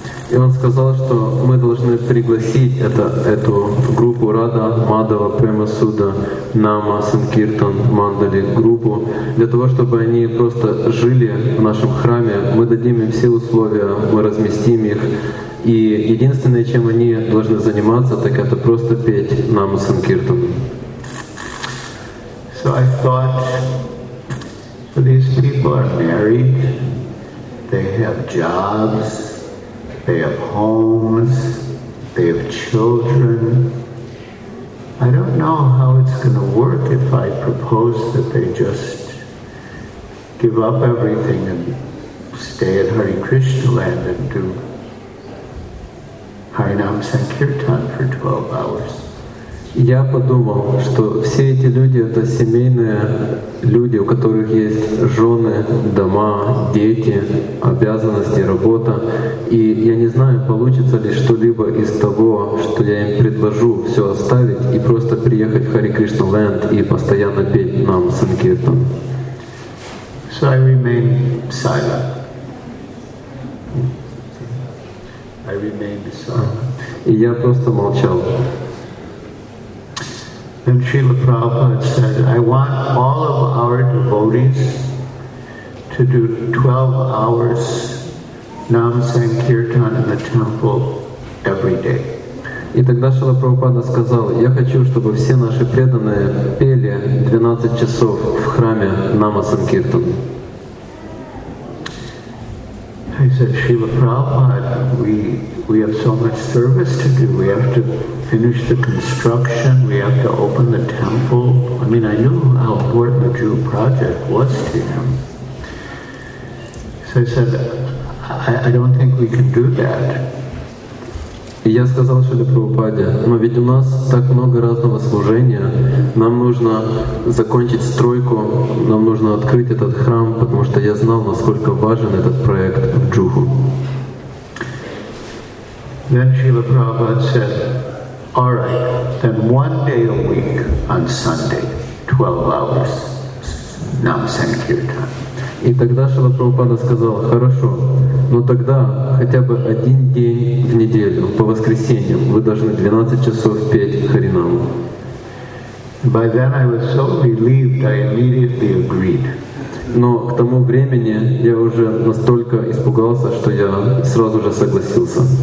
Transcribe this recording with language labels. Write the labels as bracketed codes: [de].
[ru] И он сказал, что мы должны пригласить эту группу Рада Мадава Према Суда Нама Санкиртан Мандали группу для того, чтобы они просто жили в нашем храме. Мы дадим им все условия, мы разместим их. И единственное, чем они должны заниматься, так это просто петь Нама Санкиртан. [en] So I thought, these people are married, they have jobs, they have homes, they have children. I don't know how it's going to work if I propose that they just give up everything and stay at Hare Krishna land and do Харинам Санкиртан for 12 hours. [ru] Я подумал, что все эти люди — это семейные люди, у которых есть жены, дома, дети, обязанности, работа. И я не знаю, получится ли что-либо из того, что я им предложу все оставить и просто приехать в Hare Krishna Land и постоянно петь нам Санкиртан. [en] So I remained silent. I remained silent. [ru] И я просто молчал. [en] Then Srila Prabhupada said, I want all of our devotees to do 12 hours Nam Sankirtan in the temple every day. [ru] И тогда Шрила Прабхупада сказал, я хочу, чтобы все наши преданные пели 12 часов в храме Нама Санкиртан. [en] I said, Srila Prabhupada, we have so much service to do. We have to finish the construction. We have to open the temple. I mean, I knew how important the Jew project was to him. So I said, I don't think we can do that. [ru] И я сказал Шриле Прабхупаде, но ведь у нас так много разного служения, нам нужно закончить стройку, нам нужно открыть этот храм, потому что я знал, насколько важен этот проект в Джуху. [en] Then Шрила Прабхупада said, all right, then one day a week on Sunday, 12 hours, Nam Sankirtan. [ru] И тогда Шрила Прабхупада сказал, хорошо, но тогда хотя бы один день в неделю, по воскресеньям, вы должны 12 часов петь Харинаму. [en] By then I was so relieved, I immediately agreed. [ru] Но к тому времени я уже настолько испугался, что я сразу же согласился.